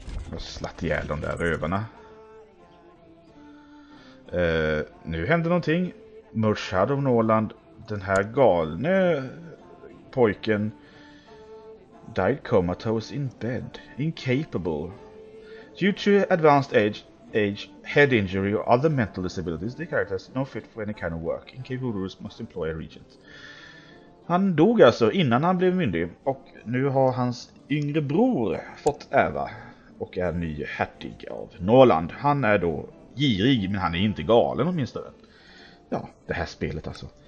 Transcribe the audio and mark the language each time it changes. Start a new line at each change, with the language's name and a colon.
Swedish: Jag slatt ihjäl de där rövarna. Nu händer någonting. Murshad av Norland, den här galne pojken.
English: Died comatose in bed. Incapable. Due to advanced age, head injury or other mental disabilities, the character is no fit for any kind of work. Incapable rulers must employ a regent.
Swedish: Han dog alltså innan han blev myndig och nu har hans yngre bror fått ärva och är ny hertig av Norland. Han är då girig, men han är inte galen åtminstone. Ja, det här spelet alltså.